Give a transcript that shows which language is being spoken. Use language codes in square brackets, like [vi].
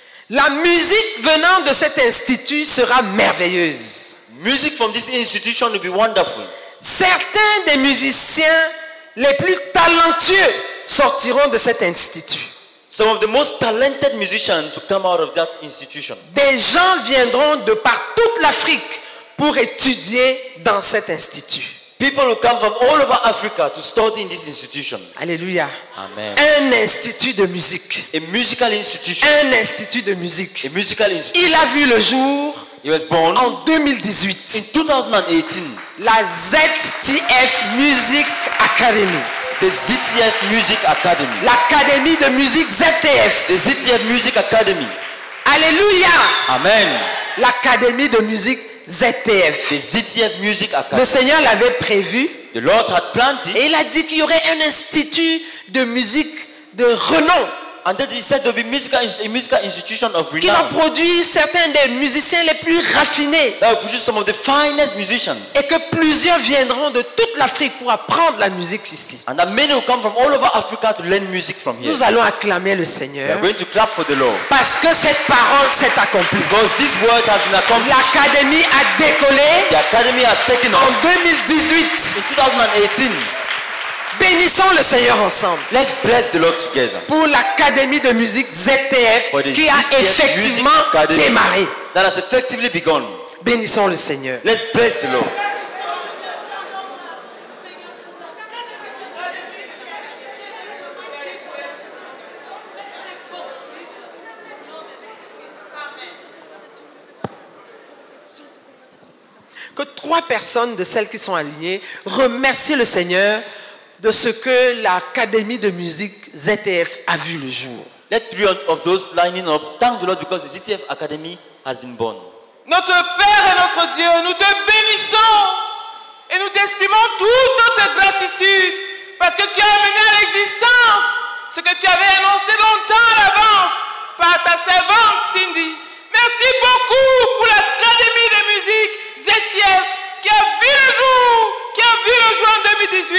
[fr] La musique venant de cet institut sera merveilleuse. [en] Music from this institution will be wonderful. [fr] Certains des musiciens les plus talentueux sortiront de cet institut. [en] Some of the most talented musicians will come out of that institution. [fr] Des gens viendront de par toute l'Afrique pour étudier dans cet institut. [en] People who come from all over Africa to study in this institution. [fr] Alléluia. [en] Amen. [fr] Un institut de musique. [en] A musical institution. [fr] Un institut de musique. [en] A musical institution. [fr] Il a vu le jour. [en] He was born. [fr] En 2018. [en] In 2018. [fr] La ZTF Music Academy. [en] The ZTF Music Academy. [fr] L'Académie de musique ZTF. [en] The ZTF Music Academy. [fr] Alléluia. [en] Amen. [fr] L'Académie de musique ZTF. [en] The ZTF Music Academy. [fr] Le Seigneur l'avait prévu. [en] The Lord had planned it. [fr] Et il a dit qu'il y aurait un institut de musique de renom [en] And then he said there will be musical institution of renown. [fr] Qui va produire certains des musiciens les plus raffinés. [en] That will produce some of the finest musicians. [fr] Et que plusieurs viendront de toute l'Afrique pour apprendre la musique ici. [en] And that many will come from all over Africa to learn music from here. [fr] Nous allons acclamer le Seigneur. [en] We are going to clap for the Lord. [fr] Parce que cette parole s'est accomplie. [en] Because this word has been accomplished. [fr] L'académie a décollé. [en] The academy has taken off. [fr] En 2018. [en] In 2018. [fr] Bénissons le Seigneur ensemble. [en] Let's bless the Lord together. [fr] Pour l'Académie de musique ZTF qui a effectivement démarré. [en] That has effectively begun. [fr] Bénissons le Seigneur. [en] Let's bless the Lord. [fr] Que trois personnes de celles qui sont alignées remercient le Seigneur de ce que l'Académie de musique ZTF a vu le jour. [en] Let three of those lining up thank the Lord because the ZTF Academy has been born. [fr] Notre Père et notre Dieu, nous te bénissons et nous t'exprimons toute notre gratitude parce que tu as amené à l'existence ce que tu avais annoncé longtemps à l'avance par ta servante Cindy. Merci beaucoup pour l'Académie de musique ZTF qui a vu le jour, qui a vu le jour en 2018.